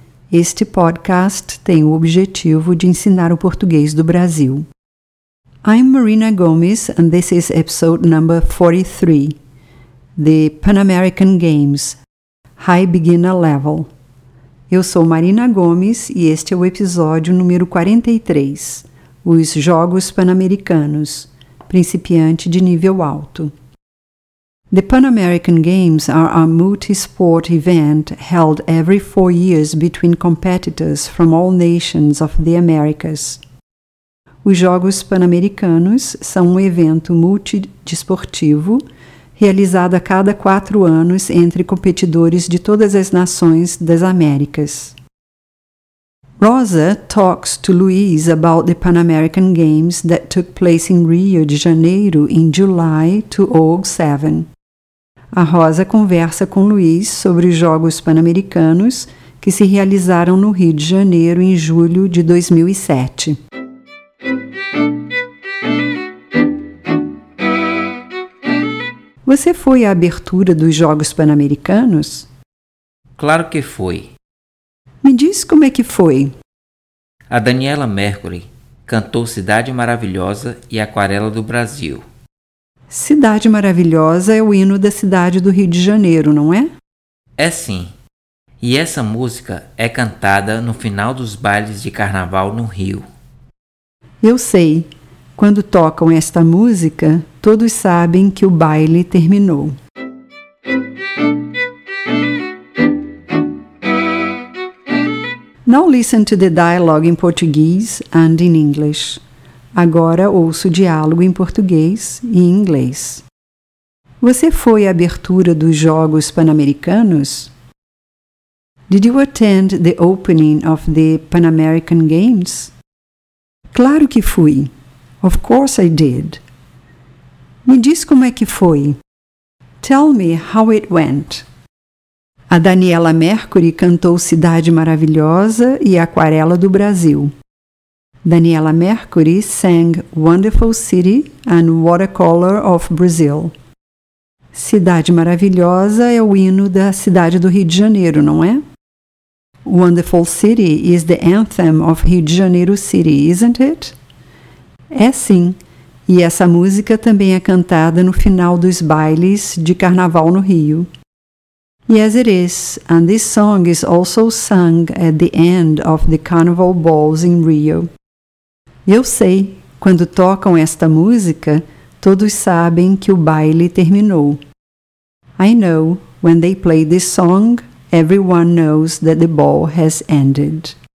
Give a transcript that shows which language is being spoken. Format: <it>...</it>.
<pt>Este podcast tem o objetivo de ensinar o português do Brasil.</pt> <en>I'm Marina Gomes, and this is episode number 43, The Pan American Games, High Beginner Level.</en> <pt>Eu sou Marina Gomes e este é o episódio número 43, os Jogos Pan-Americanos, principiante de nível alto.</pt> <en>The Pan American Games are a multi-sport event held every 4 years between competitors from all nations of the Americas.</en> <pt>Os Jogos Pan-Americanos são um evento multidesportivo realizado a cada 4 anos entre competidores de todas as nações das Américas.</pt> <en>Rosa talks to Luiz about the Pan American Games that took place in Rio de Janeiro in July to August 7.</en> <pt>A Rosa conversa com Luiz sobre os Jogos Pan-Americanos que se realizaram no Rio de Janeiro em julho de 2007. Você foi à abertura dos Jogos Pan-Americanos? Claro que fui. Me diz como é que foi. A Daniela Mercury cantou Cidade Maravilhosa e Aquarela do Brasil. Cidade Maravilhosa é o hino da cidade do Rio de Janeiro, não é? É sim. E essa música é cantada no final dos bailes de carnaval no Rio. Eu sei. Quando tocam esta música, todos sabem que o baile terminou.</pt> <en>Now listen to the dialogue in Portuguese and in English.</en> <pt>Agora ouço o diálogo em português e em inglês. Você foi à abertura dos Jogos Pan-Americanos?</pt> <en>Did you attend the opening of the Pan American Games?</en> <pt>Claro que fui.</pt> <en>Of course I did.</en> <pt>Me diz como é que foi.</pt> <en>Tell me how it went.</en> <pt>A Daniela Mercury cantou Cidade Maravilhosa e Aquarela do Brasil.</pt> <en>Daniela Mercury sang Wonderful City and Watercolor of Brazil.</en> <pt>Cidade Maravilhosa é o hino da cidade do Rio de Janeiro, não é?</pt> <en>Wonderful City is the anthem of Rio de Janeiro City, isn't it?</en> <pt>É sim, e essa música também é cantada no final dos bailes de carnaval no Rio.</pt> <en>Yes, it is, and this song is also sung at the end of the carnival balls in Rio.</en> <pt>Eu sei, quando tocam esta música, todos sabem que o baile terminou.</pt> <en>I know, when they play this song, everyone knows that the ball has ended.</en>